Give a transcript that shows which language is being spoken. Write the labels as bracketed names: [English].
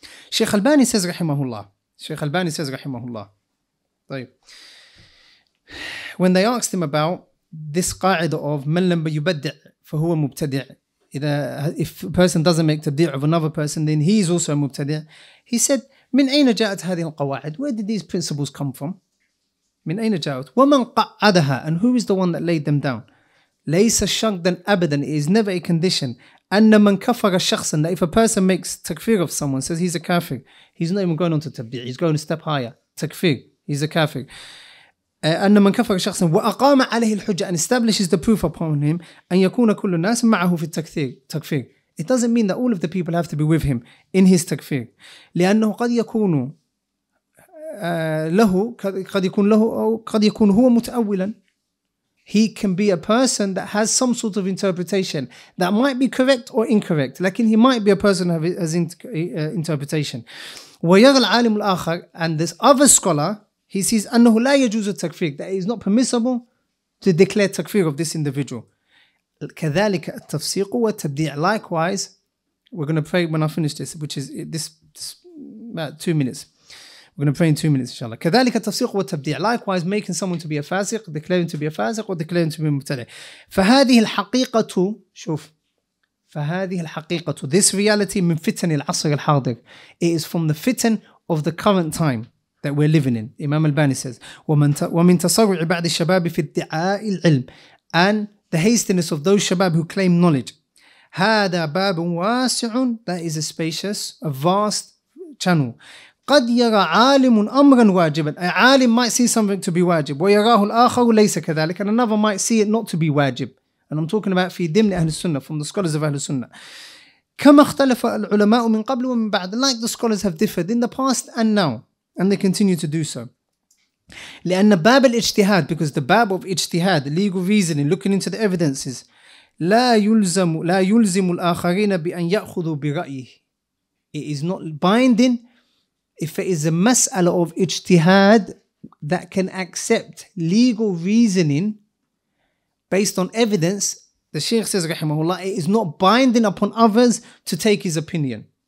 [English] Shaykh Albani says, rahimahullah. Shaykh Albani says, rahimahullah. [Arabic] طيب. [English] When they asked him about this qa'idah of [Arabic] man lam yubaddi' fa huwa mubtadi', [English] if a person doesn't make tabdi' of another person, then he is also a mubtadi'. He said, [Arabic] من أين جاءت هذه القواعد? [English] Where did these principles come from? [Arabic] من أين جاءت? ومن قعدها? [English] And who is the one that laid them down? [Arabic] ليس شرطا أبدا. [English] It is never a condition. [Arabic] أن من كفر شخصا. [English] That if a person makes takfir of someone, says he's a kafir, he's not even going on to tabdi', he's going a step higher. Takfir, he's a kafir. [Arabic] أن من كفر شخصا وأقام عليه الحجة [English] and establishes the proof upon him [Arabic] أن يكون كل الناس معه في التكفير. [English] It doesn't mean that all of the people have to be with him in his takfir. [Arabic] لأنه قد يكون له قد يكون له أو قد يكون هو متأولا. [English] He can be a person that has some sort of interpretation that might be correct or incorrect. [Arabic] لكن [English] he might be a person who has interpretation. [Arabic] ويرى العالم الآخر [English] and this other scholar, he sees [Arabic] أنه لا يجوز التكفير, [English] that it is not permissible to declare takfir of this individual. [Arabic] كذلك التفسيق والتبديع. [English] Likewise, we're going to pray when I finish this, which is this about 2 minutes. We're going to pray in 2 minutes, inshallah. [Arabic] كذلك التفسيق والتبديع. [English] Likewise, making someone to be a fasiq, declaring to be a fasiq, or declaring to be a mubtadi'. [Arabic] فهذه الحقيقة, شوف, فهذه الحقيقة, [English] this reality [Arabic] من فتن العصر الحاضر. [English] It is from the fitan of the current time that we're living in. Imam al-Bani says, [Arabic] وَمِن تَصَرُعِ بَعْدِ الشَّبَابِ فِي الدِّعَاءِ الْعِلْمِ, [English] and the hastiness of those shabab who claim knowledge. [Arabic] هَذَا بَابٌ وَاسِعٌ, [English] that is a spacious, a vast channel. [Arabic] قَدْ يَرَى عَالِمٌ أَمْرًا وَاجِبًا, [English] a alim might see something to be wajib. [Arabic] وَيَرَاهُ الْآخَرُ لَيْسَ كَذَلِكَ, [English] and another might see it not to be wajib. And I'm talking about [Arabic] فِي دِمْنِ أَهْلِ السُنَّةِ, [English] from the scholars of Ahlus Sunnah. [Arabic] كما اختلف العلماء من قبل ومن بعد. [English] Like the scholars have differed in the past and now, and they continue to do so. [Arabic] لأن باب الاجتهاد, [English] because the باب of اجتهاد, legal reasoning, looking into the evidences, [Arabic] لا يلزم الآخرين بأن يأخذوا برأيه. [English] It is not binding if it is a مسألة of اجتهاد that can accept legal reasoning based on evidence. The Shaykh says, rahimahullah, it is not binding upon others to take his opinion.